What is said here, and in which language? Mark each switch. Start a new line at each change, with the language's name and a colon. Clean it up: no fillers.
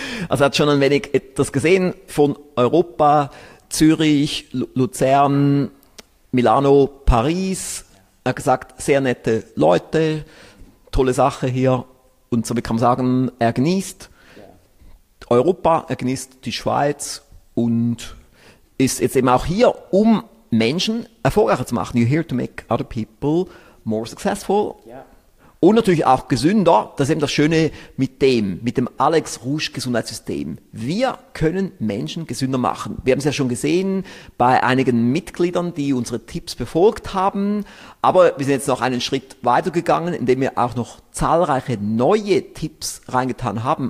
German: Also hat schon ein wenig etwas gesehen von Europa, Zürich, Luzern, Milano, Paris. Er hat gesagt, sehr nette Leute, tolle Sache hier. Und so, wie kann man sagen, er genießt Europa, er genießt die Schweiz und ist jetzt eben auch hier, um Menschen erfolgreicher zu machen.
English: You're here to make other people more successful. Yeah.
German: Und natürlich auch gesünder. Das ist eben das Schöne mit dem Alex Rouge Gesundheitssystem. Wir können Menschen gesünder machen. Wir haben es ja schon gesehen bei einigen Mitgliedern, die unsere Tipps befolgt haben. Aber wir sind jetzt noch einen Schritt weitergegangen, indem wir auch noch zahlreiche neue Tipps reingetan haben.